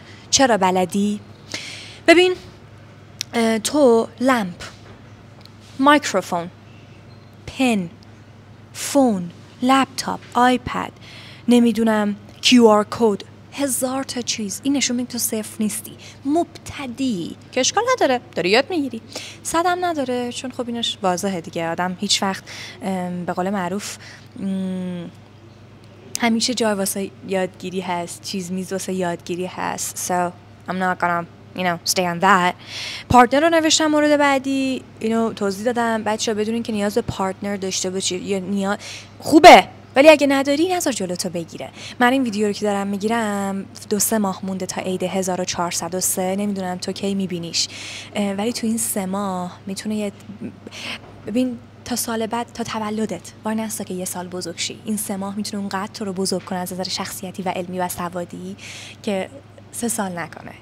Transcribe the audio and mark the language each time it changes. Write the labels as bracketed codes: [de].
[fa] چرا بلدی؟ ببین تو لامپ، مایکروفون، پن، فون، لپتاپ، آیپد، نمیدونم کیو آر کد، هزار تا چیز، این نشون میده تو صفر نیستی، مبتدی، که اشکال نداره، داری یاد میگیری. صد هم نداره، چون خب اینش واضحه دیگه، آدم هیچ وقت به قول معروف همیشه جای واسه یادگیری هست، چیز میز واسه یادگیری هست. [en] So I'm not gonna stay on that. [fa] پارتنر رو نوشتم مورد بعدی، اینو توضیح دادم بچه‌ها، بدونین که نیاز به پارتنر داشته باشی، یا نیاز خوبه، ولی اگه نداری نذار جلوتو بگیره. من این ویدیو رو که دارم میگیرم دو سه ماه مونده تا عید 1403، نمیدونم تو کی میبینیش، ولی تو این سه ماه میتونه یه ببین تا سال بعد، تا تولدت وای نستا که یه سال بزرگ شی، این سه ماه میتونه اونقدر تو رو بزرگ کنه از نظر شخصیتی و علمی و سوادی که سه سال نکنه.